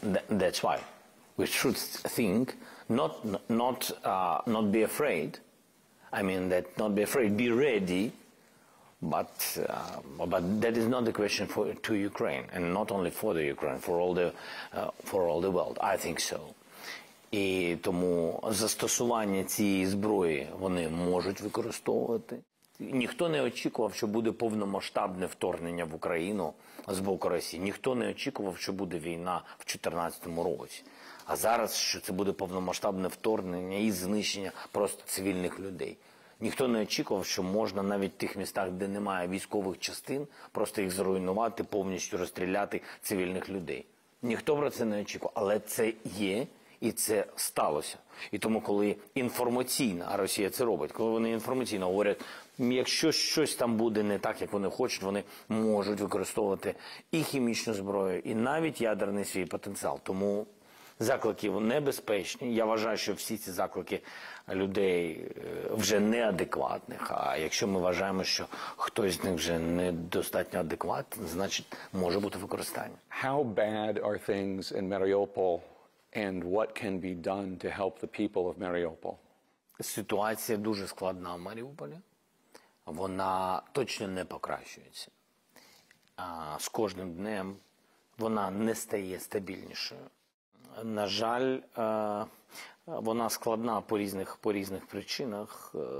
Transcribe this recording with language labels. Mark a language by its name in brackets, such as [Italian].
[English] That's why we should think, not be afraid. I mean, that not be afraid, be ready. But that is not the question for to Ukraine, and not only for the Ukraine, for all the world. I think so. [Ukrainian] І тому застосування цієї зброї вони можуть використовувати. Ніхто не очікував, що буде повномасштабне вторгнення в Україну з боку Росії. Ніхто не очікував, що буде війна в 2014 році. А зараз, що це буде повномасштабне вторгнення і знищення просто цивільних людей. Ніхто не очікував, що можна навіть в тих містах, де немає військових частин, просто їх зруйнувати, повністю розстріляти цивільних людей. Ніхто про це не очікував, але це є. І це сталося. І тому, коли інформаційно, а Росія це робить, коли вони інформаційно говорять, якщо щось там буде не так, як вони хочуть, вони можуть використовувати і хімічну зброю, і навіть ядерний свій потенціал. Тому заклики небезпечні. Я вважаю, що всі ці заклики людей вже неадекватних. А якщо ми вважаємо, що хтось з них вже недостатньо адекватний, значить може бути використання. [English] How bad are things in Mariupol? And what can be done to help the people of Mariupol? [Ukrainian] Ситуація дуже складна в Маріуполі. Вона точно не покращується. З кожним днем вона не стає стабільнішою. На жаль, вона складна по різних причинах.